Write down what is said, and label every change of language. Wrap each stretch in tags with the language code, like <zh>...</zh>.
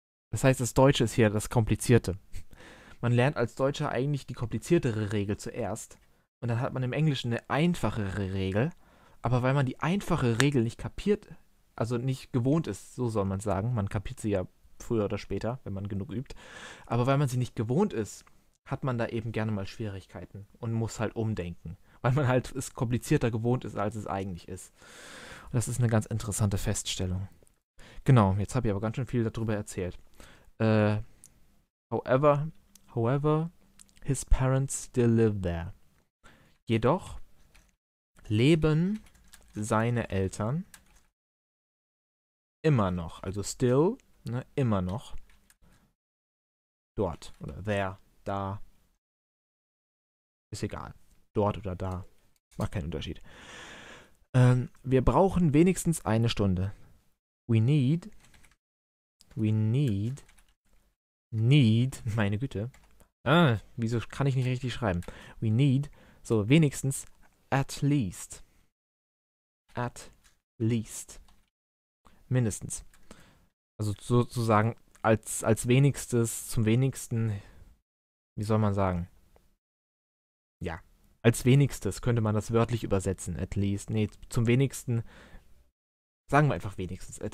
<de>Das heißt, das Deutsche ist hier das Komplizierte. Man lernt als Deutscher eigentlich die kompliziertere Regel zuerst und dann hat man im Englischen eine einfachere Regel, aber weil man die einfache Regel nicht kapiert, also nicht gewohnt ist, so soll man sagen, man kapiert sie ja früher oder später, wenn man genug übt, aber weil man sie nicht gewohnt ist, hat man da eben gerne mal Schwierigkeiten und muss halt umdenken. Weil man halt es komplizierter gewohnt ist, als es eigentlich ist. Und das ist eine ganz interessante Feststellung. Genau, jetzt habe ich aber ganz schön viel darüber erzählt.</de> <en>However, his parents still live there.</en> <de>Jedoch leben seine Eltern immer noch, also still, ne, immer noch dort oder there, da. Ist egal. Dort oder da. Macht keinen Unterschied. Wir brauchen wenigstens eine Stunde.</de> <en>We need,</en> <de>meine Güte. Ah, wieso kann ich nicht richtig schreiben?</de> <en>We need,</en> <de>so wenigstens,</de> <en>at least. At least. Mindestens.</en> <de>Also sozusagen als wenigstes, zum wenigsten, wie soll man sagen? Ja. Als wenigstes könnte man das wörtlich übersetzen,</de> <en>at least.</en> <de>Nee, zum wenigsten. Sagen wir einfach wenigstens.</de>